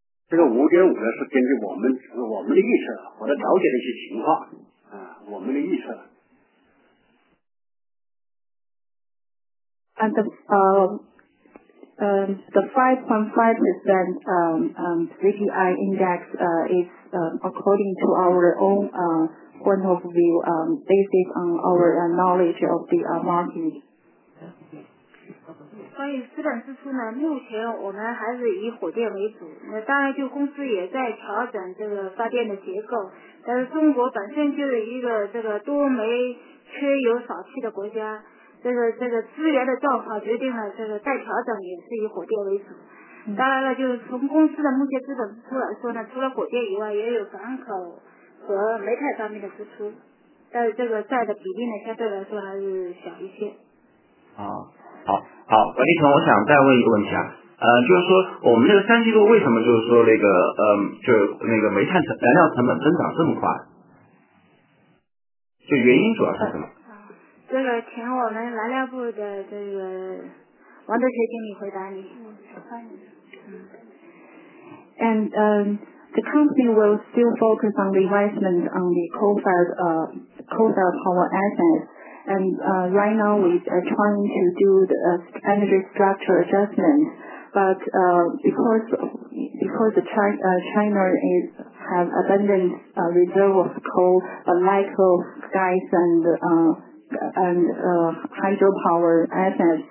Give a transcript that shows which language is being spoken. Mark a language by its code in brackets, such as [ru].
[zh] 这个 5.5 呢是根据我们的预测或者了解的一些情况我们的预测。 [en] And the 5.5% CPI index is according to our own point of view, based on our knowledge of the market. [zh] 关于资本支出呢，目前我们还是以火电为主。那当然，就公司也在调整这个发电的结构。但是中国本身就是一个这个多煤缺油少气的国家。这个资源的状况决定了这个再调整也是以火电为主。当然了，就是从公司的目前资本支出来说呢，除了火电以外，也有港口和煤炭方面的支出，但是这个债的比例呢，相对来说还是小一些。好，管理层，我想再问一个问题啊。就是说我们这个三季度为什么就是说那个就那个煤炭燃料成本增长这么快，就原因主要是什么？这个请我们燃料部的这个王德学经理回答你。 [en] And the company will still focus on the investment on the coal-fired power assets. And right now we are trying to do the energy structure adjustment. But because China has abundant reserve of coal, like coal, gas, and hydropower assets.